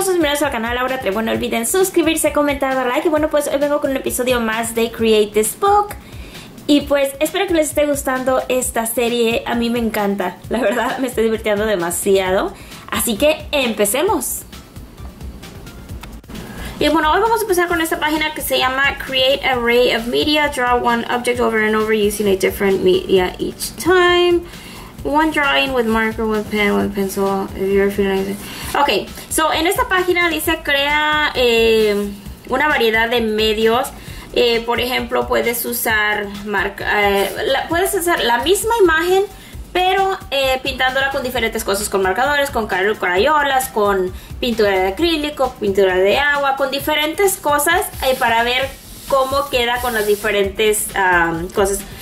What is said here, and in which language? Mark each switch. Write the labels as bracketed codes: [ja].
[es] regreso al canal Laura Trejo. No olviden suscribirse, comentar, dar like. Y bueno, pues hoy vengo con un episodio más de Create This Book. Y pues espero que les esté gustando esta serie. A mí me encanta. La verdad, me estoy divirtiendo demasiado. Así que empecemos. Y bueno, hoy vamos a empezar con esta página que se llama Create Array of Media. [en] Draw one object over and over using a different media each time. One drawing with marker, one pen, one pencil, if you're feeling it. Okay, so [es] en esta página dice crea una variedad de medios. Por ejemplo, puedes usar puedes usar la misma imagen, pero pintándola con diferentes cosas, con marcadores, con crayolas, con pintura de acrílico, pintura de agua, con diferentes cosas para ver cómo queda con las diferentes cosas.